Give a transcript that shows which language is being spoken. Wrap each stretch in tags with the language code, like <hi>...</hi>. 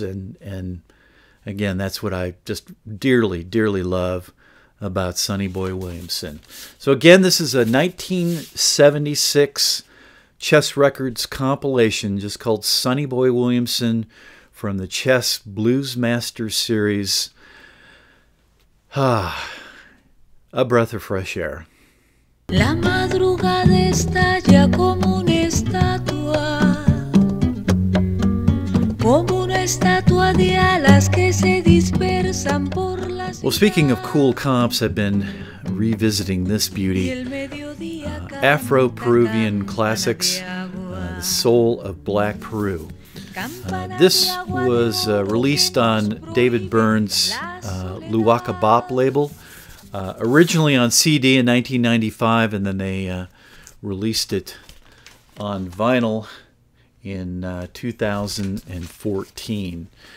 <en>And again, that's what I just dearly, dearly love about Sonny Boy Williamson. So again, this is a 1976 Chess Records compilation just called Sonny Boy Williamson from the Chess Blues Master series. Ah, a breath of fresh air.</en> <es>La madrugada está ya como una estatua, como una estatua de alas que se dispersan por la ciudad.</es> <en>Well, speaking of cool comps, I've been revisiting this beauty. Afro-Peruvian classics, the Soul of Black Peru. This was released on David Byrne's Luwaka Bop label, originally on CD in 1995, and then they released it on vinyl in 2014.</en>